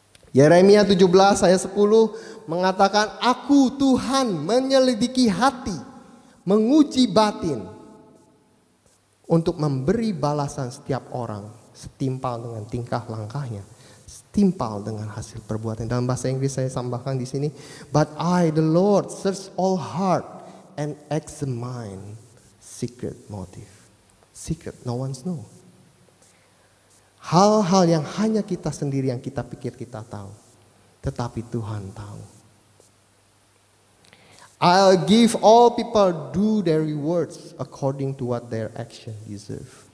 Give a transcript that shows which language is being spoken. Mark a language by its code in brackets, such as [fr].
[id] Yeremia 17 ayat 10 mengatakan, aku Tuhan menyelidiki hati, menguji batin. Untuk memberi balasan setiap orang setimpal dengan tingkah langkahnya. Setimpal dengan hasil perbuatan. Dalam bahasa Inggris saya tambahkan di sini, [en] but I the Lord search all heart. And examine secret motive. Secret, no one knows. [id] Hal-hal yang hanya kita sendiri yang kita pikir kita tahu. Tetapi Tuhan tahu. [en] I'll give all people do their rewards according to what their action deserve.